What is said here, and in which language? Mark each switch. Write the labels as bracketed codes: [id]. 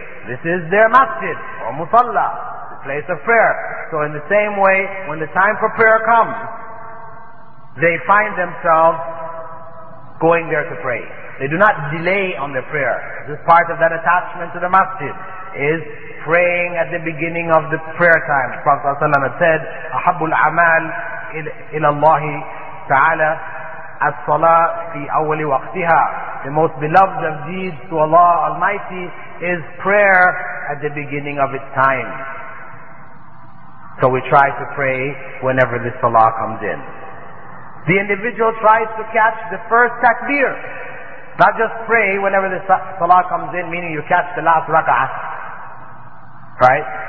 [en] This is their masjid, or musalla, the place of prayer. So in the same way, when the time for prayer comes, they find themselves going there to pray. They do not delay on their prayer. This is part of that attachment to the masjid. Is praying at the beginning of the prayer time. Prophet ﷺ had said, [ar] أَحَبُّ الْعَمَالِ إِلَى اللَّهِ تَعَالَى الصَّلَاةِ فِي أَوَّلِ وَقْتِهَا. [en] The most beloved of deeds to Allah Almighty is prayer at the beginning of its time. So we try to pray whenever the salah comes in. The individual tries to catch the first takbir. Not just pray whenever the salah comes in, meaning you catch the last rak'ah. Right?